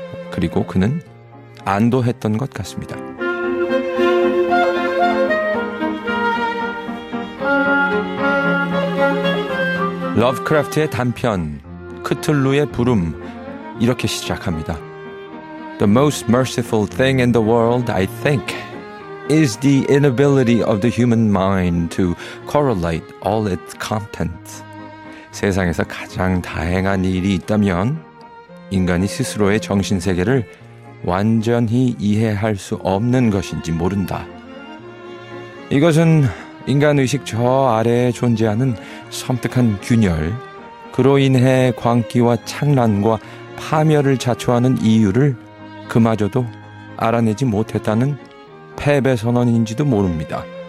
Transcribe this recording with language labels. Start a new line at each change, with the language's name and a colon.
Korean: 그리고 그는 안도했던 것 같습니다. 러브크래프트의 단편 크툴루의 부름 이렇게 시작합니다.
English: The most merciful thing in the world, I think, is the inability of the human mind to correlate all its content.
Korean: 세상에서 가장 다행한 일이 있다면 인간이 스스로의 정신세계를 완전히 이해할 수 없는 것인지 모른다. 이것은 인간의식 저 아래에 존재하는 섬뜩한 균열, 그로 인해 광기와 창란과 파멸을 자초하는 이유를 그마저도 알아내지 못했다는 패배 선언인지도 모릅니다.